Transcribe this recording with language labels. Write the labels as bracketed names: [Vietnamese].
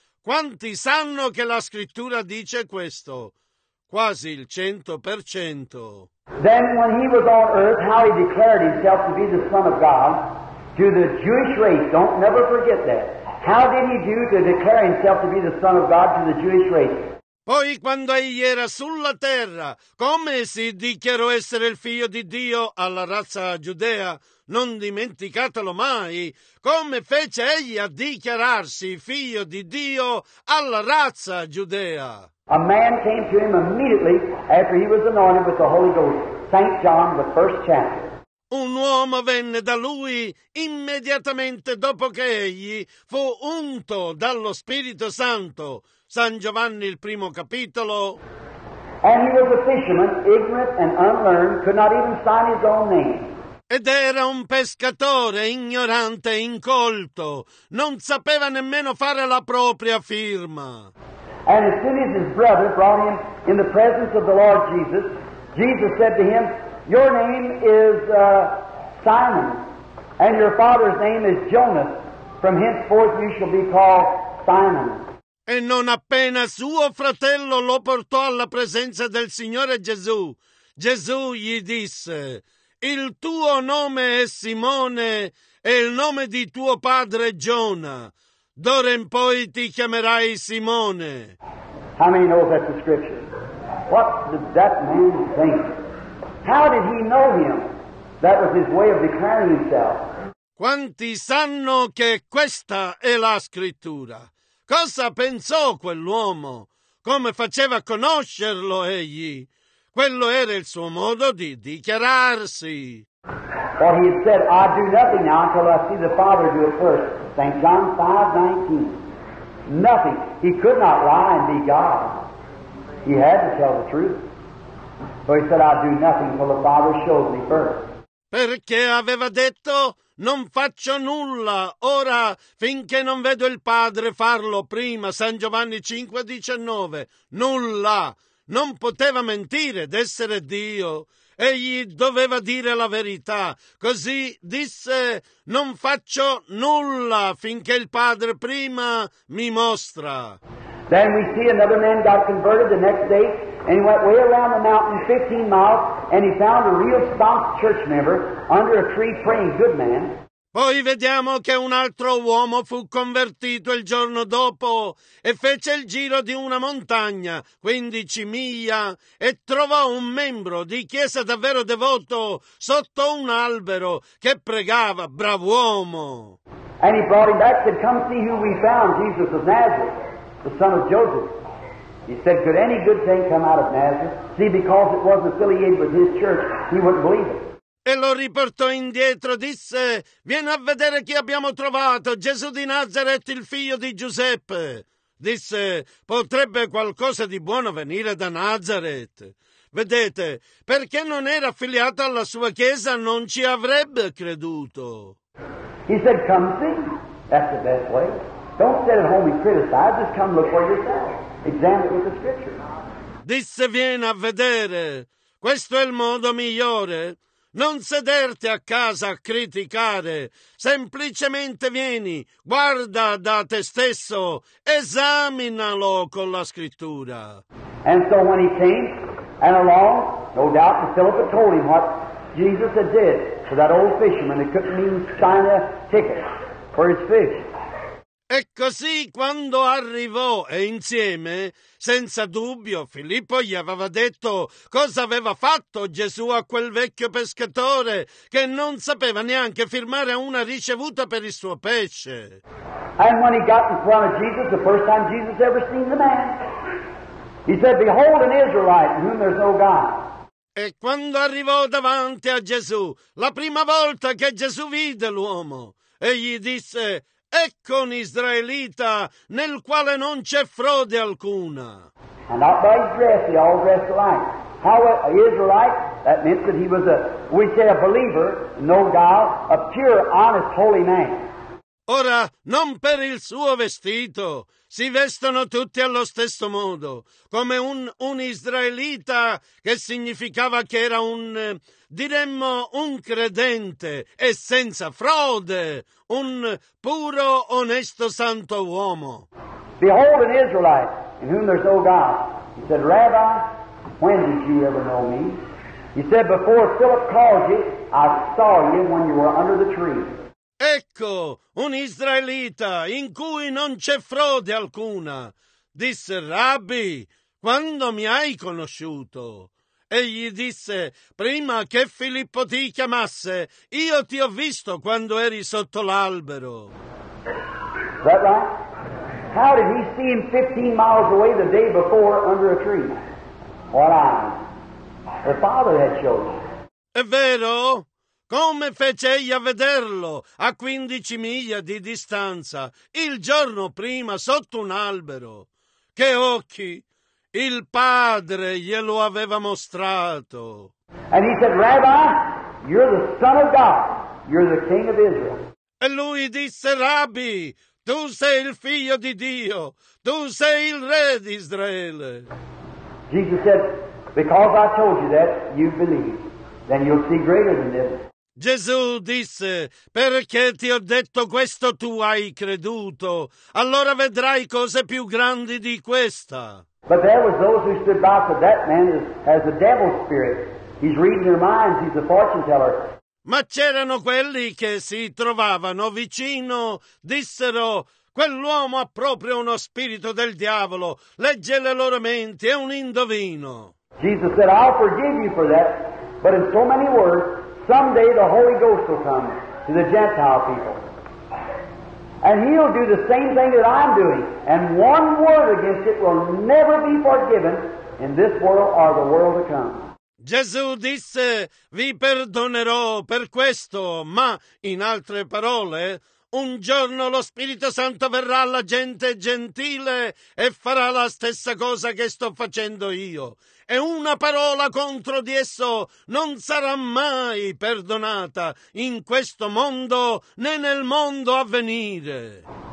[Italian] Quanti sanno che la Scrittura dice questo? Quasi il 100%. [English] Then when he was on earth, how he declared himself to be the Son of God to the Jewish race, don't never forget that. How did he do to declare himself to be the Son of God to the Jewish race? [Italian] Poi quando egli era sulla terra, come si dichiarò essere il figlio di Dio alla razza giudea? Non dimenticatelo mai, come fece egli a dichiararsi figlio di Dio alla razza giudea? [English] A man came to him immediately after he was anointed with the Holy Ghost, St. John, the first chapter. [Italian] un uomo venne da lui immediatamente dopo che egli fu unto dallo Spirito Santo. San Giovanni, il primo capitolo. [English] And he was a fisherman, ignorant and unlearned, could not even sign his own name. [Italian] Ed era un pescatore ignorante e incolto, non sapeva nemmeno fare la propria firma. [English] And as soon as his brother brought him in the presence of the Lord Jesus, Jesus said to him, "Your name is Simon, and your father's name is Jonas. From henceforth you shall be called Simon." [Italian] E non appena suo fratello lo portò alla presenza del Signore Gesù, Gesù gli disse: "Il tuo nome è Simone e il nome di tuo padre Giona. D'ora in poi ti chiamerai Simone." [English] How many know that the scripture? What did that man think? How did he know him? That was his way of declaring himself. [Italian] Quanti sanno che questa è la scrittura? Cosa pensò quell'uomo? Come faceva a conoscerlo egli? Quello era il suo modo di dichiararsi. [English] For he said, "I do nothing now until I see the Father do it first." St. John 5:19. Nothing. He could not lie and be God. He had to tell the truth. So he said, "I do nothing until the Father shows me first." [Italian] Perché aveva detto: "Non faccio nulla ora finché non vedo il Padre farlo prima." San Giovanni 5:19. Nulla. Non poteva mentire d'essere Dio. Egli doveva dire la verità. Così disse: "Non faccio nulla finché il Padre prima mi mostra." [English] Then we see another man got converted the next day, and he went way around the mountain 15 miles, and he found a real staunch church member under a tree praying, good man. [Italian] Poi vediamo che un altro uomo fu convertito il giorno dopo e fece il giro di una montagna, 15 miglia, e trovò un membro di chiesa davvero devoto sotto un albero che pregava, bravo uomo. [English] And he brought him back and said, "Come see who we found, Jesus of Nazareth, the son of Joseph." He said, "Could any good thing come out of Nazareth?" See, because it wasn't affiliated with his church, he wouldn't believe it. [Italian] E lo riportò indietro, disse: "Vieni a vedere chi abbiamo trovato, Gesù di Nazareth, il figlio di Giuseppe." Disse: "Potrebbe qualcosa di buono venire da Nazareth." Vedete, perché non era affiliato alla sua chiesa, non ci avrebbe creduto. [English] He said, "Come see. That's the best way. Don't sit at home and criticize. Just come look for yourself. Examine with the scripture." [Italian] Disse: "Vieni a vedere. Questo è il modo migliore. Non sederti a casa a criticare, semplicemente vieni, guarda da te stesso, esaminalo con la scrittura." [English] And so when he came and along, no doubt that Philip had told him what Jesus had did for that old fisherman that couldn't even sign a ticket for his fish. [Italian] E così quando arrivò e insieme, senza dubbio, Filippo gli aveva detto cosa aveva fatto Gesù a quel vecchio pescatore che non sapeva neanche firmare una ricevuta per il suo pesce. [English] And when he got in front of Jesus, the first time Jesus ever seen the man, he said, "Behold an Israelite in whom there's no God." [Italian] E quando arrivò davanti a Gesù, la prima volta che Gesù vide l'uomo, egli disse: "Ecco un israelita nel quale non c'è frode alcuna." [English] And not by his dress, he all dressed alike. How an Israelite, that meant that he was a, we say, a believer, no doubt, a pure, honest, holy man. [Italian] Ora, non per il suo vestito, si vestono tutti allo stesso modo, come un israelita che significava che era un, diremmo, un credente e senza frode, un puro, onesto, santo uomo. [English] "Behold an Israelite in whom there's no God." He said, "Rabbi, when did you ever know me?" He said, "Before Philip called you, I saw you when you were under the tree." [Italian] "Ecco, un israelita in cui non c'è frode alcuna." Disse: "Rabbi, quando mi hai conosciuto?" Egli disse: "Prima che Filippo ti chiamasse, io ti ho visto quando eri sotto l'albero." [English] Is that right? How did he see him 15 miles away the day before under a tree? What eyes? The Father had shown him. [Italian] È vero? come fece egli a vederlo a 15 miglia di distanza il giorno prima sotto un albero? Che occhi! Il Padre glielo aveva mostrato. [English] And he said, Rabbi, you're the Son of God. You're the King of Israel. [Italian] E lui disse, Rabbi, tu sei il figlio di Dio. Tu sei il re di Israele. [English] Jesus said, because I told you that, you believe. Then you'll see greater than this. [Italian] Gesù disse, perché ti ho detto questo tu hai creduto. Allora vedrai cose più grandi di questa. [English] But there was those who stood by, said, that man has a devil spirit. He's reading their minds, he's a fortune teller. [Italian] Ma c'erano quelli che si trovavano vicino, dissero, quell'uomo ha proprio uno spirito del diavolo, legge le loro menti, è un indovino. [English] Jesus said, I'll forgive you for that, but in so many words, someday the Holy Ghost will come to the Gentile people. And he'll do the same thing that I'm doing, and one word against it will never be forgiven in this world or the world to come. [Italian] Gesù disse, vi perdonerò per questo, ma, in altre parole, un giorno lo Spirito Santo verrà alla gente gentile e farà la stessa cosa che sto facendo io. E una parola contro di esso non sarà mai perdonata in questo mondo né nel mondo a venire.